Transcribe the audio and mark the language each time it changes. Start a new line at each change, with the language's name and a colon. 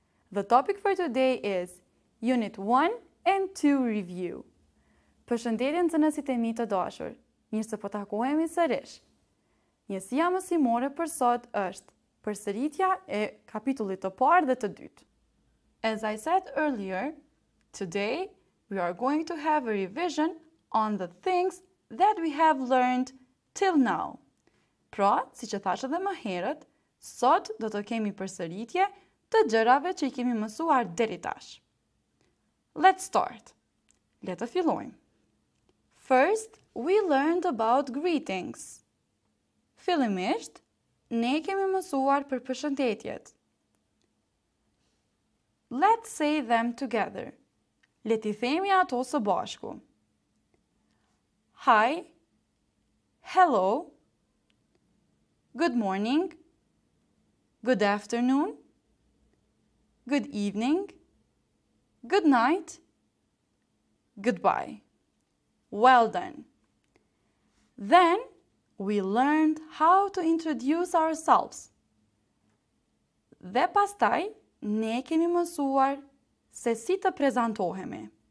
English: The topic for today is Unit 1 and 2 Review.
Albanian: Përshëndetje nxënësit e mi të dashur. Mirë se po takohemi sërish. Njësia mësimore për sot është përsëritja e kapitullit të parë dhe të dytë.
English: As I said earlier, today we are going to have a revision on the things that we have learned till now.
Albanian: Pra, si që thashe dhe më herët, sot do të kemi përsëritje të gjërave që i kemi mësuar deri tash.
English: Let's start.
Albanian: Le të fillojmë.
English: First, we learned about greetings.
Albanian: Fillimisht, ne kemi mësuar për përshëndetjet.
English: Let's say them together.
Albanian: Le t'i themi ato së bashku.
English: Hi. Hello. Good morning. Good afternoon. Good evening. Good night. Goodbye. Well done. Then we learned how to introduce ourselves.
Albanian: Dhe pastaj ne kemi mësuar se si të prezantohemi.